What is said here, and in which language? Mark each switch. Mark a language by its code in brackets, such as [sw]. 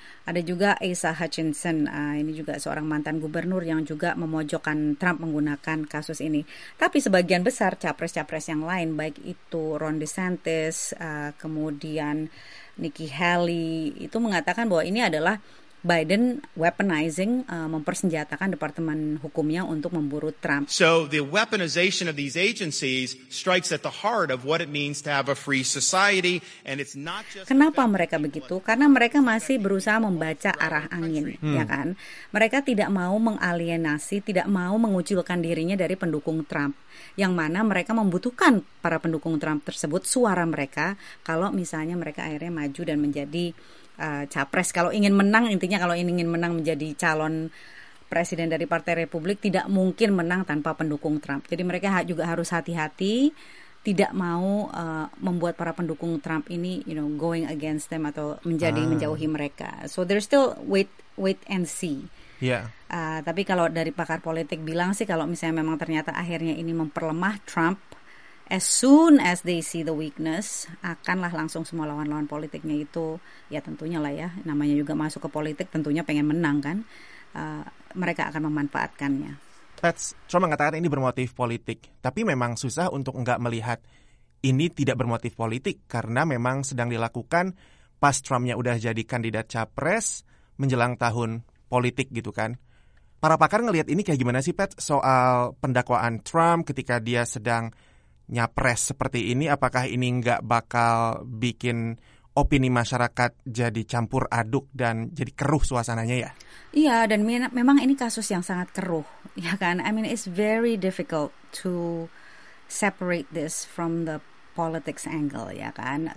[id] Ada juga Asa Hutchinson, ini juga seorang mantan gubernur yang juga memojokkan Trump menggunakan kasus ini. Tapi sebagian besar capres-capres yang lain, baik itu Ron DeSantis, kemudian Nikki Haley, itu mengatakan bahwa ini adalah Biden weaponizing, mempersenjatakan Departemen Hukumnya untuk memburu Trump. [en] So the weaponization of these agencies strikes at the heart of what it means to have a free society, and it's not just. [id] Kenapa mereka begitu? Karena mereka masih berusaha membaca arah angin, ya kan? Mereka tidak mau mengalienasi, tidak mau mengucilkan dirinya dari pendukung Trump, yang mana mereka membutuhkan para pendukung Trump tersebut, suara mereka, kalau misalnya mereka akhirnya maju dan menjadi capres. Kalau ingin menang, intinya kalau ingin menang menjadi calon presiden dari Partai Republik, tidak mungkin menang tanpa pendukung Trump. Jadi mereka juga harus hati-hati, tidak mau membuat para pendukung Trump ini, [en] going against them [id] atau menjadi menjauhi mereka. [en] So there's still wait and see. Yeah. [id] Tapi kalau dari pakar politik bilang sih, kalau misalnya memang ternyata akhirnya ini memperlemah Trump, [en] as soon as they see the weakness, [id] akanlah langsung semua lawan-lawan politiknya itu, ya tentunya lah ya, namanya juga masuk ke politik, tentunya pengen menang kan, mereka akan memanfaatkannya. Pets, Trump mengatakan ini bermotif politik, tapi memang susah untuk enggak melihat ini tidak bermotif politik, karena memang sedang dilakukan pas Trumpnya udah jadi kandidat capres, menjelang tahun politik gitu kan. Para pakar ngelihat ini kayak gimana sih, Pets, soal pendakwaan Trump ketika dia sedang nyapres seperti ini, apakah ini nggak bakal bikin opini masyarakat jadi campur aduk dan jadi keruh suasananya ya? Iya, dan memang ini kasus yang sangat keruh, ya kan? [en] I mean, it's very difficult to separate this from the politics angle, [id] ya kan?